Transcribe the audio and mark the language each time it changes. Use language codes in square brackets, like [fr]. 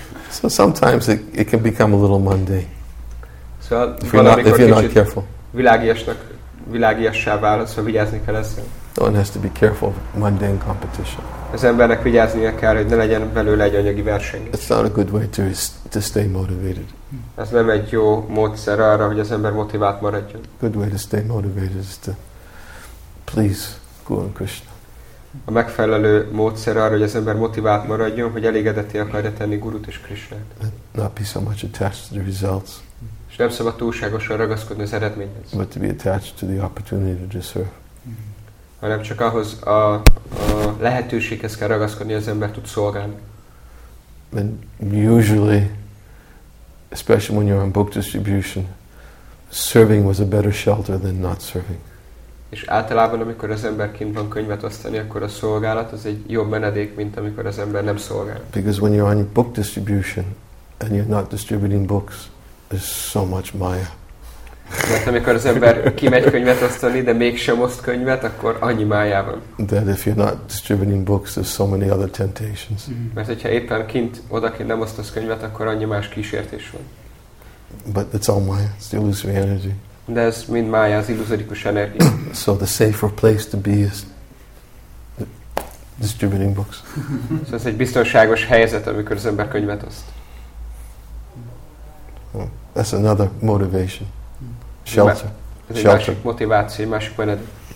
[en] So sometimes it can become a little mundane. [hu] Szóval [en] if you're not careful. [hu] Világiassá válasz, szóval vigyázni kell ezzel. [en] One has to be careful of mundane competition. [hu] Az embernek vigyáznia kell, hogy ne legyen belőle egy anyagi verseny. [en] It's not a good way to stay motivated. [hu] Ez nem egy jó módszer arra, hogy az ember motivált maradjon. [en] Good way to stay motivated is to please Guru and Krishna. [hu] A megfelelő módszer arra, hogy az ember motivált maradjon, hogy elégedetté akarja tenni Gurut és Krishnát. [en] Not be so much attached to the results. [hu] És nem szabad túlságosan ragaszkodni az eredményhez. [en] But to be attached to the opportunity to serve. [hu] Hanem csak ahhoz a lehetőséghez kell ragaszkodni, az ember tud szolgálni. [en] And usually, especially when you're on book distribution, serving was a better shelter than not serving. [hu] És általában, amikor az ember kint van könyvet osztani, akkor a szolgálat az egy jobb menedék, mint amikor az ember nem szolgál. [en] Because when you're on book distribution and you're not distributing books, there's so much maya. [hu] Mert amikor az ember kimegy könyvet osztani, de mégsem oszt könyvet, akkor annyi májában. [en] That if you're not distributing books, there's so many other temptations. Mm-hmm. [hu] Mert hogyha éppen kint, odakint nem osztasz könyvet, akkor annyi más kísértés van. [en] But it's all maya, it's the illusory energy. [hu] De ez mind mája, az illuzorikus energia. [en] So the safer place to be is distributing books. [hu] Szóval ez egy biztonságos helyzet, amikor az ember könyvet oszt. [en] Well, that's another motivation. Shelter. [hu] Ez egy másik motiváció, egy másik menedék.